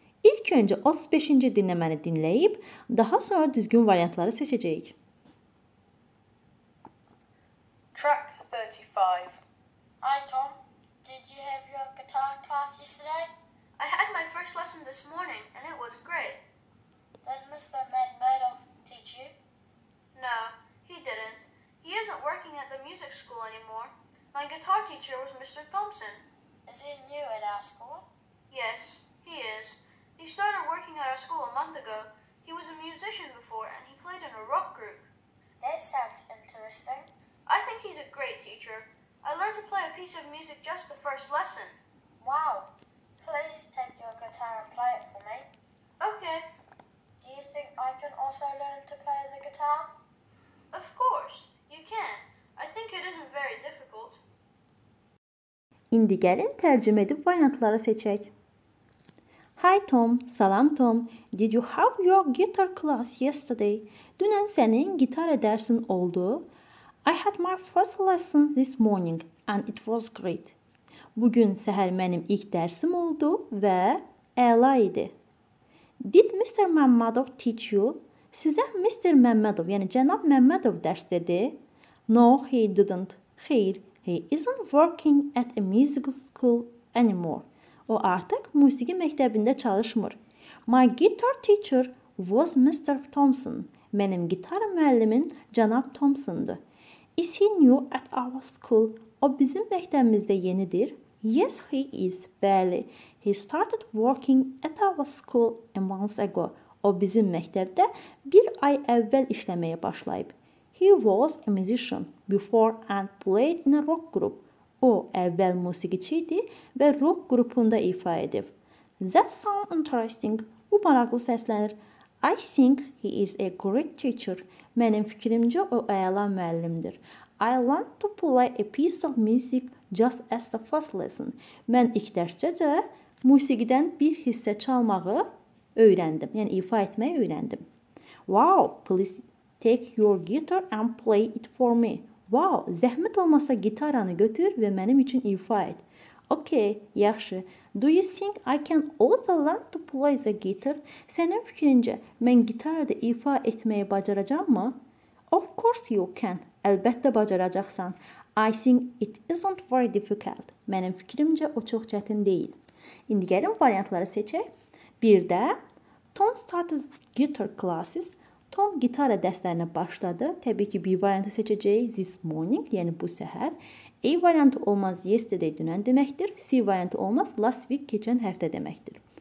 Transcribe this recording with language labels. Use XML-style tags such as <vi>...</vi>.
<az>İlk öncə 35-ci dinləməni dinləyib, daha sonra düzgün variantları seçəcəyik.</az> <en>Track 35. Hi Tom, did you have your guitar class yesterday? I had my first lesson this morning and it was great. Did Mr. Medvedev teach you? No, he didn't. He isn't working at the music school anymore. My guitar teacher was Mr. Thompson. Is he new at our school? Yes, he is. He started working at our school a month ago. He was a musician before and he played in a rock group. That sounds interesting. I think he's a great teacher. I learned to play a piece of music just the first lesson. Wow. Please take your guitar and play it for me. Okay. Do you think I can also learn to play the guitar? Of course, you can. I think it isn't very difficult.</en> <az>İndi gəlin tərcümə edib variantları seçək.</az> <en>Hi Tom,</en> <az>salam Tom.</az> <en>Did you have your guitar class yesterday?</en> <az>Dünən sənin gitara dərsin oldu?</az> <en>I had my first lesson this morning and it was great.</en> <az>Bugün səhər mənim ilk dərsim oldu və əla idi.</az> <en>Did Mr. Mammadov teach you?</en> <az>Sizə Mr. Mammadov, yəni cənab Mammadov dərs dedi?</az> <en>No, he didn't.</en> <az>Xeyr,</az> <en>he isn't working at a music school anymore.</en> <az>O artıq musiqi məktəbində çalışmır.</az> <en>My guitar teacher was Mr. Thompson.</en> <az>Mənim gitar müəllimim cənab Thompson'dı.</az> <en>Is he new at our school?</en> <az>O bizim məktəbimizdə yenidir.</az> <en>Yes, he is.</en> <az>Bəli.</az> <en>He started working at our school a month ago.</en> <az>O bizim məktəbdə bir ay əvvəl işləməyə başlayıb.</az> <en>He was a musician before and played in a rock group.</en> <az>O əvvəl musiqiçi idi və rock qrupunda ifa edib.</az> <en>That sounds interesting.</en> <az>Bu maraqlı səslənir.</az> <en>I think he is a great teacher.</en> <az>Mənim fikrimcə o əla müəllimdir.</az> <en>I learned to play a piece of music just as the first lesson.</en> <az>Mən ilk dərsdə musiqidən bir hissə çalmağı öyrəndim. Yəni ifa etməyi öyrəndim.</az> <en>Wow, please take your guitar and play it for me.</en> <az>Wow, zəhmət olmasa gitaranı götür və mənim üçün ifa et. Okay, yaxşı.</az> <en>Do you think I can also learn to play the guitar?</en> <az>Sənin fikrincə, mən gitarı da ifa etməyi bacaracağım mı?</az> <en>Of course you can.</en> <az>Əlbəttə bacaracaqsan.</az> <en>I think it isn't very difficult.</en> <az>Mənim fikrimcə, o çox çətin deyil. İndi gəlin variantları seçək. Bir də,</az> <en>Tom started guitar classes.</en> <az>Tom gitara dərslərinə başladı. Təbii ki, bir variantı seçəcək.</az> <en>This morning,</en> <az>yəni bu səhər. A variantı olmaz yesterday dünən deməkdir. C variantı olmaz last week keçən həftə deməkdir.</az>